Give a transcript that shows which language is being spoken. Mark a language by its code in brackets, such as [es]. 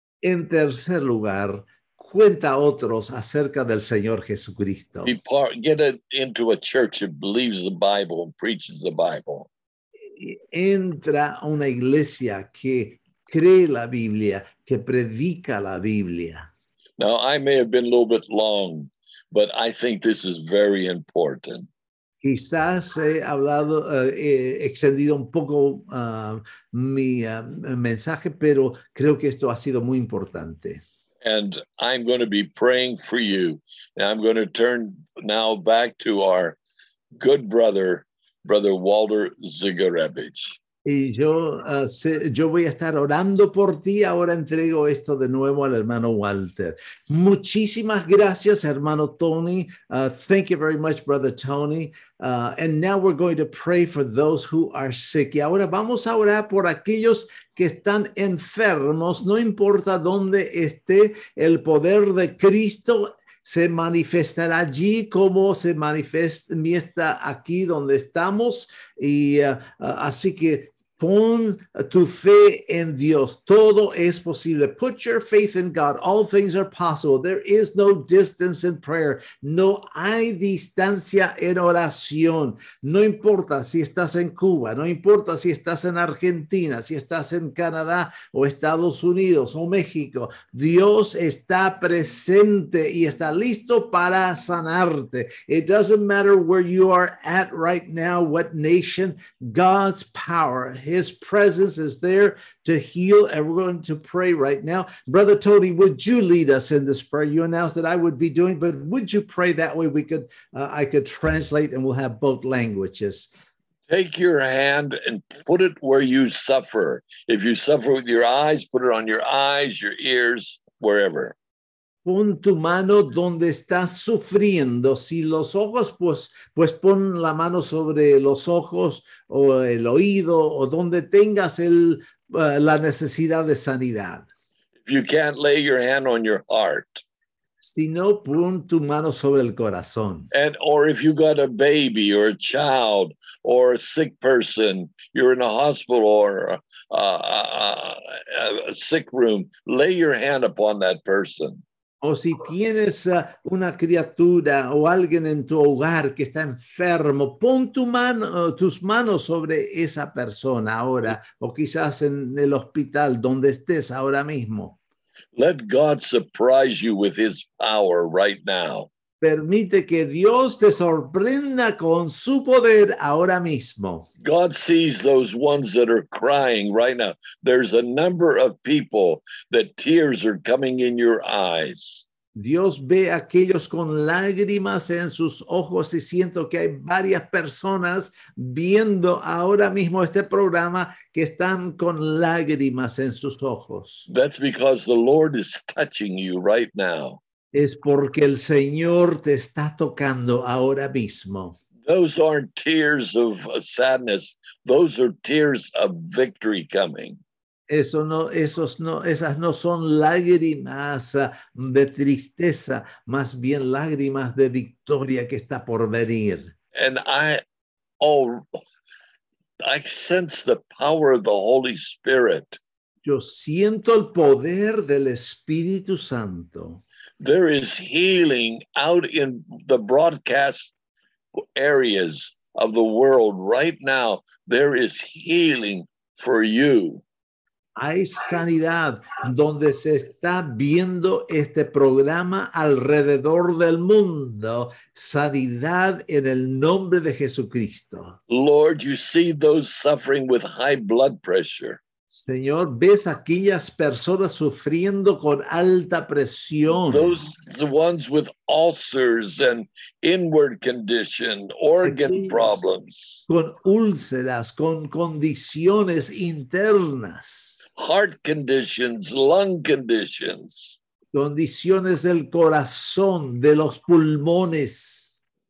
[es] En tercer lugar, cuenta a otros acerca del Señor Jesucristo. [en] Get into a church that believes the Bible and preaches the Bible. [es] Entra a una iglesia que cree la Biblia, que predica la Biblia. [en] Now, I may have been a little bit long, but I think this is very important. [es] Quizás he hablado, he extendido un poco mi mensaje, pero creo que esto ha sido muy importante. [en] And I'm going to be praying for you. And I'm going to turn now back to our good brother, Brother Walter Zigarevich. [es] Y yo voy a estar orando por ti. Ahora entrego esto de nuevo al hermano Walter. Muchísimas gracias, hermano Tony. [en] Thank you very much, Brother Tony. And now we're going to pray for those who are sick. [es] Y ahora vamos a orar por aquellos que están enfermos. No importa dónde esté, el poder de Cristo se manifestará allí como se manifiesta aquí donde estamos. Y así que pon tu fe en Dios. Todo es posible. [en] Put your faith in God. All things are possible. There is no distance in prayer. [es] No hay distancia en oración. No importa si estás en Cuba, no importa si estás en Argentina, si estás en Canadá o Estados Unidos o México. Dios está presente y está listo para sanarte. [en] It doesn't matter where you are at right now, what nation, God's power, His presence is there to heal. And we're going to pray right now. Brother Tony, would you lead us in this prayer? You announced that I would be doing, but would you pray that way we could, I could translate and we'll have both languages. Take your hand and put it where you suffer. If you suffer with your eyes, put it on your eyes, your ears, wherever. [es] Pon tu mano donde estás sufriendo. Si los ojos, pues pon la mano sobre los ojos o el oído o donde tengas la necesidad de sanidad. [en] If you can't lay your hand on your heart. [es] Si no, pon tu mano sobre el corazón. [en] And, or if you got a baby or a child or a sick person, you're in a hospital or a sick room, lay your hand upon that person. [es] O si tienes una criatura o alguien en tu hogar que está enfermo, pon tus manos sobre esa persona ahora, o quizás en el hospital donde estés ahora mismo. [en] Let God surprise you with his power right now. [es] Permite que Dios te sorprenda con su poder ahora mismo. [en] God sees those ones that are crying right now. There's a number of people that tears are coming in your eyes. [es] Dios ve a aquellos con lágrimas en sus ojos y siento que hay varias personas viendo ahora mismo este programa que están con lágrimas en sus ojos. [en] That's because the Lord is touching you right now. [es] Es porque el Señor te está tocando ahora mismo. [en] Those aren't tears of sadness. Those are tears of victory coming. [es] Esas no son lágrimas de tristeza, más bien lágrimas de victoria que está por venir. [en] And I sense the power of the Holy Spirit. [es] Yo siento el poder del Espíritu Santo. [en] There is healing out in the broadcast areas of the world right now. There is healing for you. [es] Hay sanidad donde se está viendo este programa alrededor del mundo. Sanidad en el nombre de Jesucristo. [en] Lord, you see those suffering with high blood pressure. [es] Señor, ves aquellas personas sufriendo con alta presión. [en] Those the ones with ulcers and inward condition, organ problems. [es] Con úlceras, con condiciones internas. [en] Heart conditions, lung conditions. [es] Condiciones del corazón, de los pulmones.